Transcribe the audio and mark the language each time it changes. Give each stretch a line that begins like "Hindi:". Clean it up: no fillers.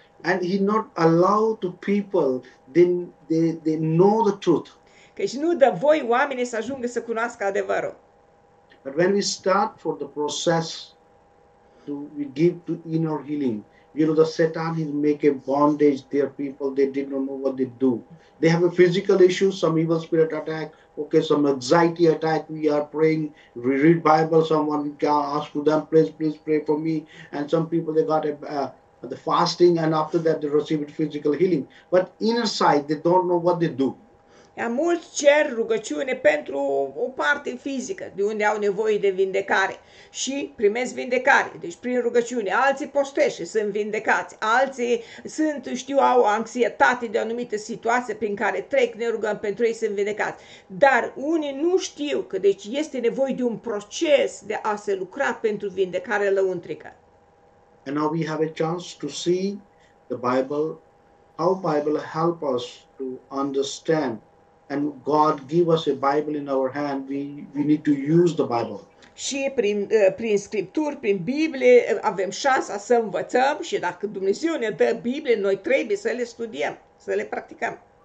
English: And he not allowed to people then they know the truth.
Romanian: Căci nu dă voi oamenii să ajungă să cunoască adevărul.
English: But when we start for the process we give to inner healing. You know, the Satan is make a bondage their people. They did not know what they do. They have a physical issue, some evil spirit attack, okay, some anxiety attack. We are praying, we read Bible, someone can ask for them, please pray for me. And some people, they got the fasting, and after that, they received physical healing. But inner side, they don't know what they do.
Romanian: Mulți cer rugăciune pentru o parte fizică, de unde au nevoie de vindecare și primesc vindecare, deci prin rugăciune. Alții postește, sunt vindecați, alții sunt, știu, au anxietate de o anumită situație prin care trec, ne rugăm pentru ei, sunt vindecați. Dar unii nu știu că deci este nevoie de un proces de a se lucra pentru vindecare lăuntrică.
English: And now we have a chance to see the Bible, how Bible help us to understand. And God give us a Bible in our hand, we need to use the Bible.
Romanian: Și prin scripturi, prin Biblie, avem șansa să învățăm și dacă Dumnezeu ne dă Biblie, noi trebuie să le studiem, să le practicăm.